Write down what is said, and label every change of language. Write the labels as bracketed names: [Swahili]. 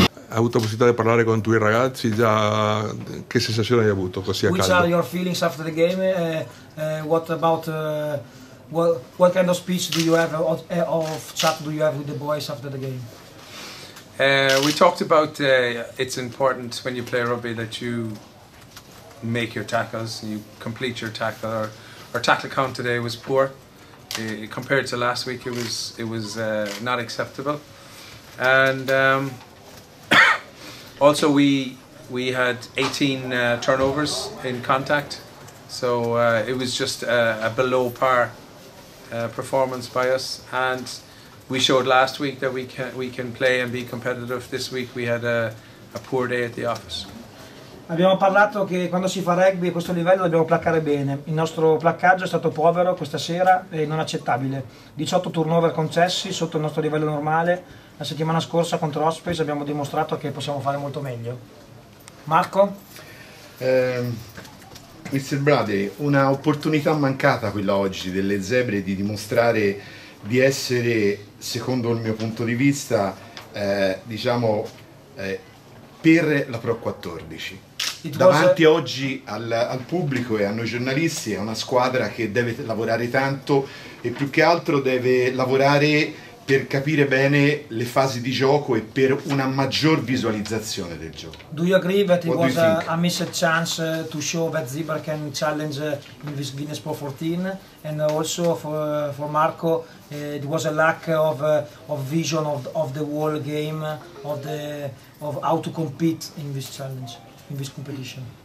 [Italian] hai avuto la possibilità di parlare con i tuoi ragazzi, già che sensazione hai avuto così a caldo? [English] Which are your feelings after the game? What kind of speech do you have, of chat do you have with the boys after the game? We talked about it's important when you play rugby that you make your tackles, you complete your tackle. Our tackle count today was poor. Compared to last week, it was not acceptable. And also we had 18 turnovers in contact, so it was just a below par performance by us. And we showed last week that we can play and be competitive. This week we had a poor day at the office. [Italian] Abbiamo parlato che quando si fa rugby a questo livello dobbiamo placcare bene. Il nostro placcaggio è stato povero questa sera e non accettabile. 18 turnover concessi sotto il nostro livello normale. La settimana scorsa contro Ospreys abbiamo dimostrato che possiamo fare molto meglio. Marco? [English] Mr. [Italian] Bradley, una opportunità mancata quella oggi delle Zebre di dimostrare di essere, secondo il mio punto di vista, per la Pro 14. Davanti oggi al pubblico e a noi giornalisti è una squadra che deve lavorare tanto e più che altro deve lavorare per capire bene le fasi di gioco e per una maggior visualizzazione del gioco. [English] Do you agree that it was a missed chance to show that Zebra can challenge in this Guinness Pro 14? And also for Marco, it was a lack of vision of the whole game, of how to compete in this challenge, in this competition?